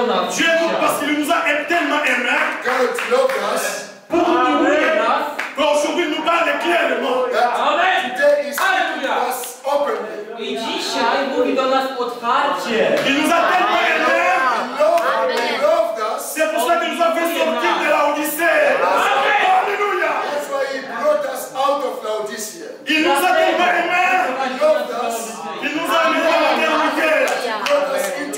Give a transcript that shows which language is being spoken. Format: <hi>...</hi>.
<fr>Dieu nous, parce qu'il nous a tellement aimé,</fr> <en>God loved us,</en> <fr>pour nous ouvrir, qu'aujourd'hui nous parle clairement. Amen.</fr> <en>Today is opening us openly.</en> <pl>I dzisiaj mówi do nas otwarcie.</pl> <fr>Il nous a tellement aimé.</fr> <en>He loved us.</en> <fr>C'est pour ça qu'il nous a fait sortir de l'Odyssée. Amen. Alléluia.</fr> <en>That's why he brought us out of l'Odyssée.</en> <fr>Il nous a tellement aimé.</fr> <en>He loved us.</en> <fr>Il nous a mis dans la terre.</fr>